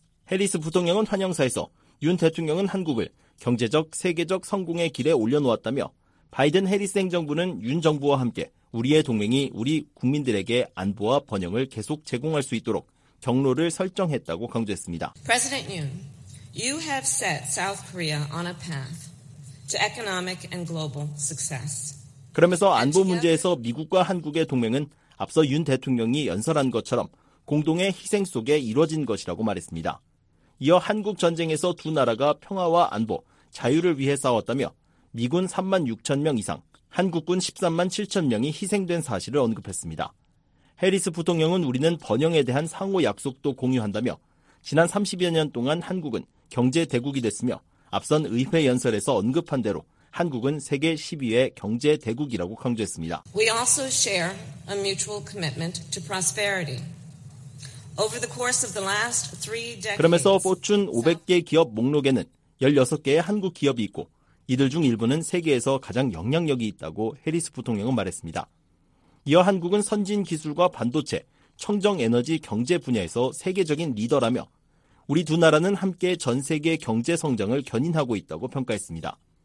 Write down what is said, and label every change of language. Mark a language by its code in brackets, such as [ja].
[ko] 해리스 부통령은 환영사에서 윤 대통령은 한국을 경제적, 세계적 성공의 길에 올려놓았다며 바이든 해리스 행정부는 윤 정부와 함께 우리의 동맹이 우리 국민들에게 안보와 번영을 계속 제공할 수 있도록 경로를 설정했다고 강조했습니다. [en] President Yoon, you have set South Korea on a path to economic and global success. [ko] 그러면서 안보 문제에서 미국과 한국의 동맹은 앞서 윤 대통령이 연설한 것처럼 공동의 희생 속에 이루어진 것이라고 말했습니다. 이어 한국 전쟁에서 두 나라가 평화와 안보, 자유를 위해 싸웠다며 미군 3만 6천 명 이상, 한국군 13만 7천 명이 희생된 사실을 언급했습니다. 해리스 부통령은 우리는 번영에 대한 상호 약속도 공유한다며 지난 30여 년 동안 한국은 경제 대국이 됐으며 앞선 의회 연설에서 언급한 대로 한국은 세계 10위의 경제 대국이라고 강조했습니다. [en] We also share a mutual commitment to prosperity. Over the course of the last three decades, [ko] 그러면서 포춘 500개 기업 목록에는 16개의 한국 기업이 있고 이들 중 일부는 세계에서 가장 영향력이 있다고 해리스 부통령은 말했습니다. 이어 한국은 선진 기술과 반도체, 청정 에너지 경제 분야에서 세계적인 리더라며 우리 두 나라는 함께 전 세계 경제 성장을 견인하고 있다고 평가했습니다.